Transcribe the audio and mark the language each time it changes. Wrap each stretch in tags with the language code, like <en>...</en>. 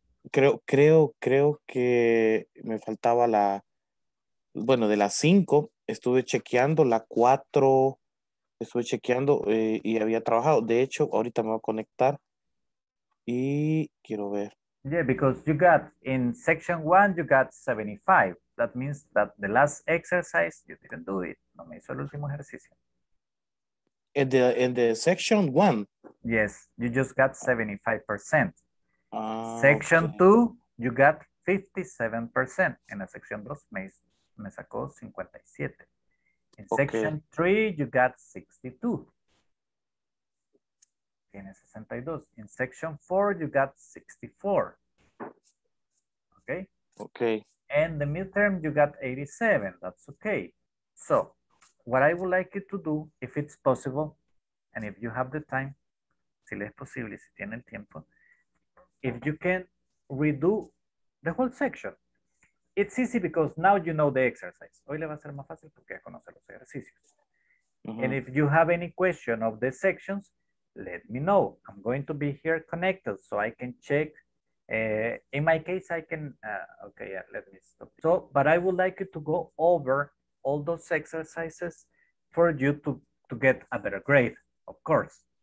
<es>Creo que me faltaba la, bueno, de las cinco, estuve chequeando la cuatro, y había trabajado. De hecho, ahorita me voy a conectar y quiero ver.</es> <en>Yeah, because you got in section one, you got 75. That means that the last exercise, you didn't do it.</en> <es>No me hizo el último ejercicio.</es> <en>In the section one? Yes, you just got 75%. Section okay. Two, you got 57%.</en> <es>En la sección dos, me sacó 57. In</es> <en>okay. Section three, you got 62.</en> <es>Tiene 62.</es> <en>In section four, you got 64. Okay? Okay. And the midterm, you got 87. That's okay. So, what I would like you to do, if it's possible, and if you have the time,</en> <es>si le es posible, si tiene el tiempo,</es> <en>if you can redo the whole section. It's easy because now you know the exercise.</en> <es>Hoy le va a ser más fácil porque ya conoce los ejercicios. Mm-hmm.</es> <en>And if you have any question of the sections, let me know. I'm going to be here connected so I can check. In my case, I can, let me stop. So, but I would like you to go over all those exercises for you to get a better grade, of course.</en>